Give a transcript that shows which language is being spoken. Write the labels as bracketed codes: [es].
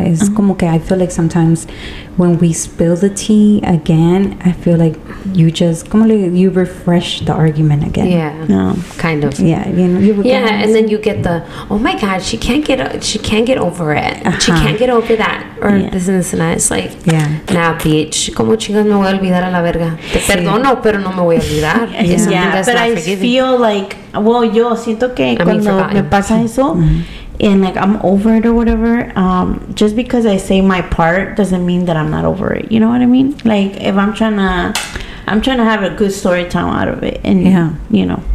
[en] It's [es] como que [en] I feel like sometimes when we spill the tea again, I feel like you just [es] como le, [en] you refresh the argument again. Yeah, kind of. And then you get the oh my god, she can't get over it. Uh-huh. She can't get over that or this and this and that. It's like nah, bitch. [es] Como chingas me voy a olvidar a la verga. Te perdono, pero no me voy a olvidar. [en] Yeah, but I feel like. Well, [es] yo siento que cuando me pasa eso [en] and like I'm over it or whatever, just because I say my part doesn't mean that I'm not over it. You know what I mean? Like if I'm trying to, have a good story time out of it, and you know.